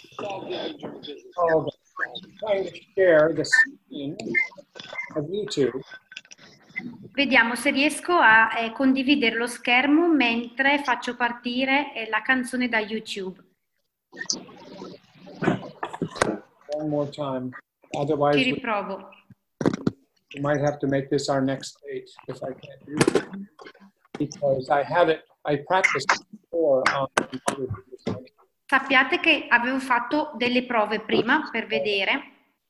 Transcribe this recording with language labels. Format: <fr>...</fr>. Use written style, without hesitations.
<en>Oh, trying to share the screen of YouTube.</en> <it>Vediamo se riesco a condividere lo schermo mentre faccio partire la canzone da YouTube.</it> <en>One more time. Otherwise,</en> <it>ci riprovo.</it> <en>We might have to make this our next date if I can't do it. Because I had it, I practiced before on YouTube.</en> <it>Sappiate che avevo fatto delle prove prima per vedere.</it>